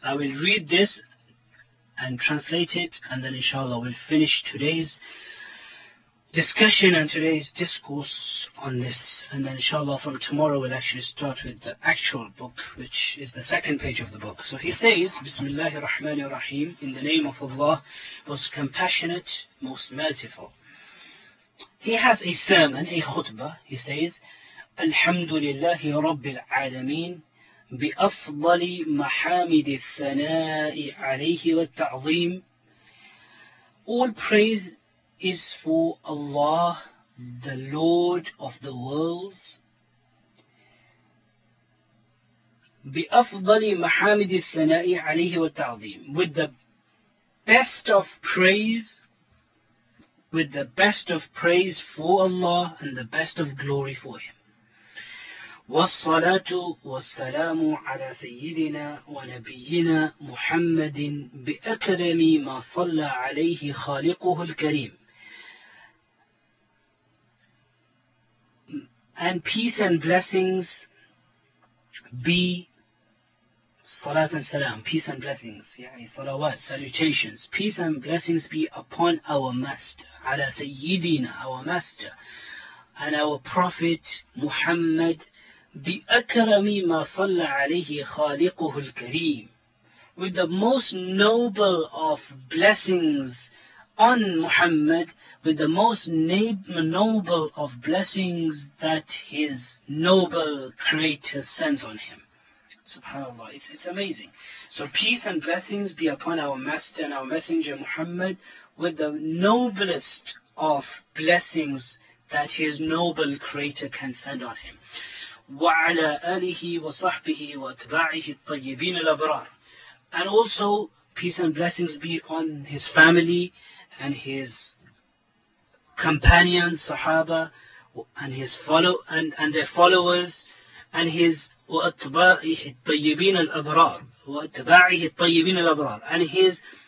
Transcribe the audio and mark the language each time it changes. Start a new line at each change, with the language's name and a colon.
English: I will read this and translate it, and then inshallah we'll finish today's discussion and today's discourse on this, and then inshallah from tomorrow we'll actually start with the actual book, which is the second page of the book. So he says, Bismillahir Rahmanir Rahim, in the name of Allah, most compassionate, most merciful. He has a sermon, a khutbah. He says,
Arabic: الحمد لله رب العالمين بأفضل محامد الثناء عليه والتعظيم.
English: All praise is for Allah, the Lord of the worlds.
Arabic: بأفضل محامد الثناء عليه والتعظيم.
English: With the best of praise, with the best of praise for Allah and the best of glory for Him.
Arabic: والصلاة والسلام على سيدنا ونبينا محمد بأكرم ما صلى عليه خالقه الكريم.
English: And peace and blessings be, صلاة and سلام, peace and blessings,
Arabic: يعني صلوات,
English: salutations, peace and blessings be upon our master,
Arabic: على سيدنا,
English: our master, and our prophet Muhammad,
Arabic: بِأَكْرَمِ مَا صَلَّ عَلَيْهِ خَالِقُهُ الْكَرِيمِ.
English: With the most noble of blessings on Muhammad, with the most noble of blessings that his noble creator sends on him. SubhanAllah, it's amazing. So peace and blessings be upon our master and our messenger Muhammad, with the noblest of blessings that his noble creator can send on him.
Arabic: وعلى آله وصحبه وأتباعه الطيبين الأبرار.
English: And also peace and blessings be on his family and his companions, Sahaba, and his follow and their followers, and his
Arabic: وأتباعه الطيبين الأبرار وأتباعه الطيبين الأبرار
English: and his